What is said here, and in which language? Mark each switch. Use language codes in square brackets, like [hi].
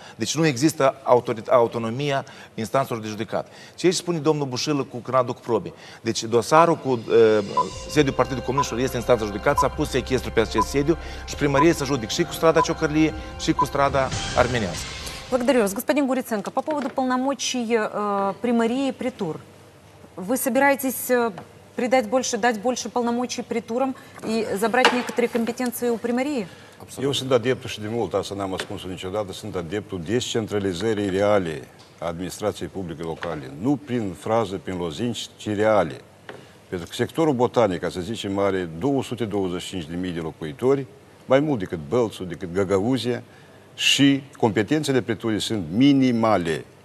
[ro] Deci nu există autonomia instanțelor de judecată. Ce aici spune domnul Bușilă cu când aduc probe? Deci dosarul cu sediul Partidului Comunistilor este instanța judecată, s-a pus sechestru pe acest sediu și primărie să judec și cu strada Ciocărlie și cu strada Armenească. [ru] Благодарю вас, господин Гуриценко. По поводу полномочий примарии при тур. Вы собираетесь дать больше полномочий при турам и забрать некоторые компетенции у примарии? Абсолютно. [ro] Eu sunt adeptul și de mult, asta n-am ascuns niciodată, sunt adeptul descentralizării reale a administrației publice locale. Nu prin fraze, prin lozinci, ci reale. Pentru că sectorul botanic, ca să zicem, are 225.000 de locuitori, mai mult decât Bălțu, decât Găgăuzia, și competențele preturii sunt minimale.